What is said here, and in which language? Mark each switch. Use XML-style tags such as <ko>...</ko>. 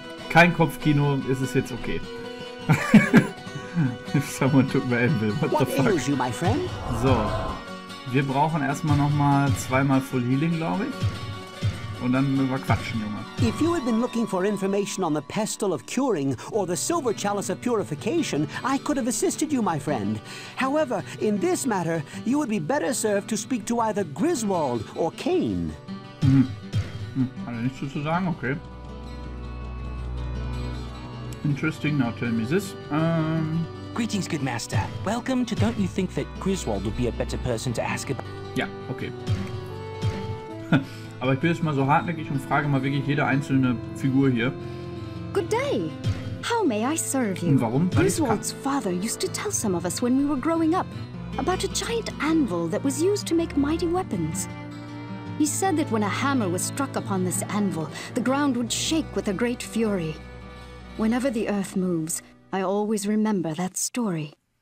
<de>Kein Kopfkino, ist es jetzt okay.</de> <en>If someone took my anvil, what the fuck? What ails you, my friend?</en> <de>So, wir brauchen erstmal nochmal zweimal Full Healing, glaube ich. Und dann müssen wir quatschen, Junge.</de> <en>If you had been looking for information on the Pestle of Curing or the Silver Chalice of Purification, I could have assisted you, my friend. However, in this matter, you would be better served to speak to either Griswold or Kane.</en> <de>Hat er nichts zu sagen? Okay.</de> <en>Interesting, now tell me this. Greetings, good master. Welcome to Don't You Think That Griswold Would Be a Better Person to Ask About.</en> <de>Ja, okay. Aber ich bin jetzt mal so hartnäckig und frage mal wirklich jede einzelne Figur hier.</de> <en>Good day. How may I serve you?</en> <de>Und warum? Weil</de> <en>Griswold's father used to tell some of us when we were growing up about a giant anvil that was used to make mighty weapons. He said that when a hammer was struck upon this anvil, the ground would shake with a great fury. Whenever the earth moves, I always remember that story.</en>